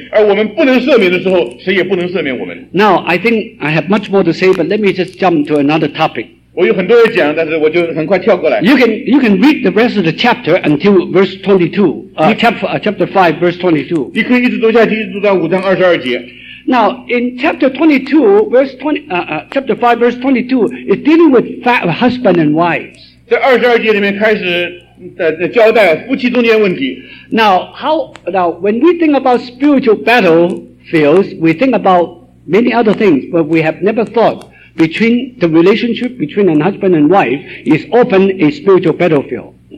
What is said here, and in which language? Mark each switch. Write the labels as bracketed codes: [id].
[zh] 因为当我们里面有苦毒的时候,事实上就是不肯赦免,而我们不能赦免的时候,谁也不能赦免我们。 [en] Now, I think I have much more to say, but let me just jump to another topic. [zh] 我有很多要讲,但是我就很快跳过来。 [en] You can read the rest of the chapter until verse 22. Chapter 5, verse 22. [zh] 你可以一直读下去,一直读到5章22节。 [en] Now, in chapter 22, verse 20, chapter 5, verse 22, it's dealing with husband and wives. [zh] 在22节里面开始交代夫妻中间问题。 [en] Now, when we think about spiritual battlefields, we think about many other things, but we have never thought between the relationship between a husband and wife is often a spiritual battlefield.